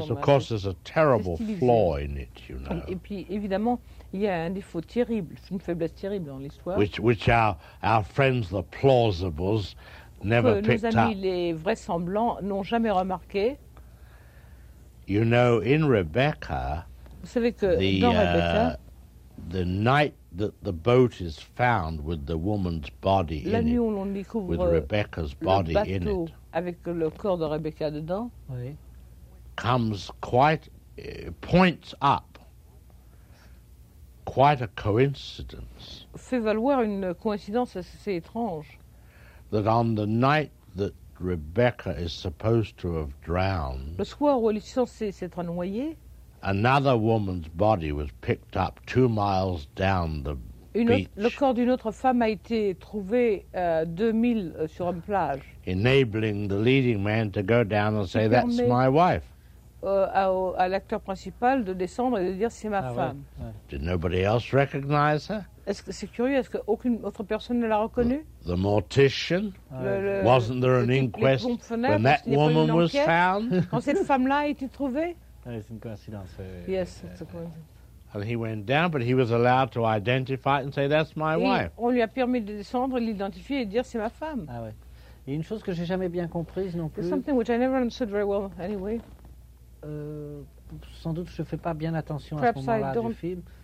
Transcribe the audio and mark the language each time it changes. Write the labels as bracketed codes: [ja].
[en] Yes, of course, there's a terrible flaw in it, you know. [fr] Et puis, évidemment. Il y a un défaut terrible, une faiblesse terrible dans l'histoire. [en] Which our friends, the plausibles, never picked up. [fr] Que nos amis les vraisemblants n'ont jamais remarqué. [en] You know, in Rebecca, [fr] vous savez que dans Rebecca, [en] the night that the boat is found with the woman's body in it, [fr] la nuit où l'on découvre [en] with Rebecca's body [fr] le bateau [en] in it, [fr] avec le corps de Rebecca dedans, oui. [en] Comes quite points up. Quite a coincidence. [fr] Fait valoir une coïncidence assez étrange. [en] That on the night that Rebecca is supposed to have drowned, [fr] le soir où elle est censée s'être noyée, [en] another woman's body was picked up 2 miles down the beach. [fr] Le corps d'une autre femme a été trouvé 2 miles sur une plage. [en] Enabling the leading man to go down and say, that's my wife. [fr] À l'acteur principal de descendre et de dire c'est ma femme. Ouais. [en] Ouais. Did nobody else recognize her? [fr] Est-ce que c'est curieux? Est-ce qu'aucune autre personne ne l'a reconnue? [en] The mortician. Wasn't there an inquest when that woman was found? [fr] Quand cette femme-là a été trouvée? C'est une coïncidence. [en] Yes, it's a coincidence. And he went down, but he was allowed to identify and say that's my wife. [fr] On lui a permis de descendre, l'identifier et dire c'est ma femme. Ah ouais. Et une chose que j'ai jamais bien comprise non plus. [en] It's something which I never understood very well anyway. [fr] Sans doute, je ne fais pas bien attention à ce moment-là du film.